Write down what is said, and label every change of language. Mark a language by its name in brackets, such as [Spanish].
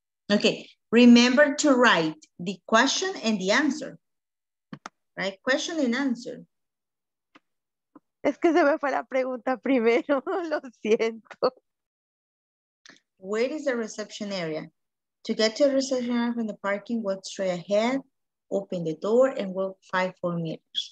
[English] Okay, remember to write the question and the answer. Right, question and answer. [Spanish] Es que se me fue la pregunta primero, lo siento. [English] Where is the reception area? To get to the reception area from the parking, walk straight ahead, open the door, and walk 5 or 4 meters.